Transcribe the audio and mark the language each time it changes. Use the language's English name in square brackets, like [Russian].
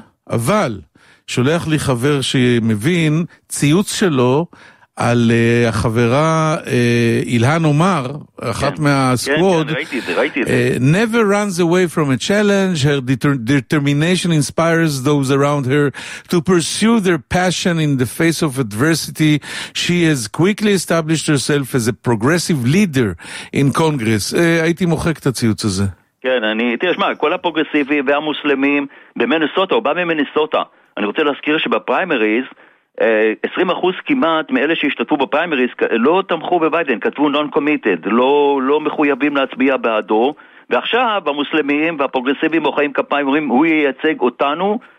[Hebrew] אבל, שולח לי חבר שמבין ציוץ שלו על החברה אילהן עומר, אחת מהסקווד. כן, ראיתי את זה. [English] Never runs away from a challenge, her determination inspires those around her to pursue their passion in the face of adversity. She has quickly established herself as a progressive leader in Congress. [Hebrew] הייתי מוחק את הציוץ הזה. כן, אני, תראה, שמה, כל הפרוגרסיבי והמוסלמים במנסוטה, הוא בא ממנסוטה. אני רוצה להזכיר שבפריימריז, 20% כמעט מאלה שהשתתפו בפריימריז לא תמכו בביידן, כתבו non-committed, לא מחויבים להצביע בעדו, ועכשיו המוסלמים והפרוגרסיבים מוחאים כפיים, אומרים, הוא ייצג אותנו.